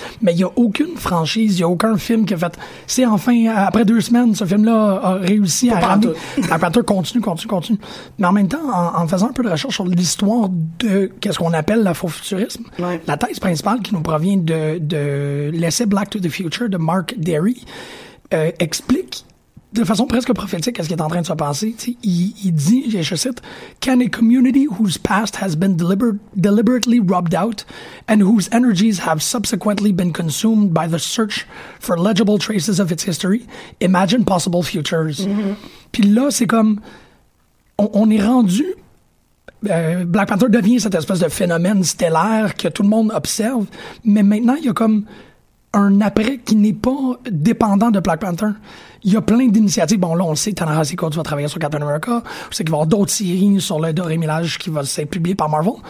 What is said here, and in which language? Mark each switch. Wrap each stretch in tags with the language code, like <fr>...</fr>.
<fr>Mais il y a aucune franchise, il y a aucun film qui a fait, c'est enfin, après deux semaines, ce film-là a réussi pas à ramener. Apparateur continue. Mais en même temps, en faisant un peu de recherche sur l'histoire de qu'est-ce qu'on appelle l'afrofuturisme, la thèse principale qui nous provient de l'essai Black to the Future de Mark Derry, explique de façon presque prophétique à ce qui est en train de se passer. Il dit, je cite,</fr> <en>« Can a community whose past has been deliberately rubbed out and whose energies have subsequently been consumed by the search for legible traces of its history imagine possible futures?</en> <fr>Mm-hmm. » Puis là, c'est comme, on est rendu, Black Panther devient cette espèce de phénomène stellaire que tout le monde observe, mais maintenant, il y a comme un après qui n'est pas dépendant de Black Panther. Il y a plein d'initiatives. Bon, là, on le sait, Ta-Nehisi Coates va travailler sur Captain America. On sait qu'il va y avoir d'autres séries sur le Doré Milage qui va être publiées par Marvel.</fr>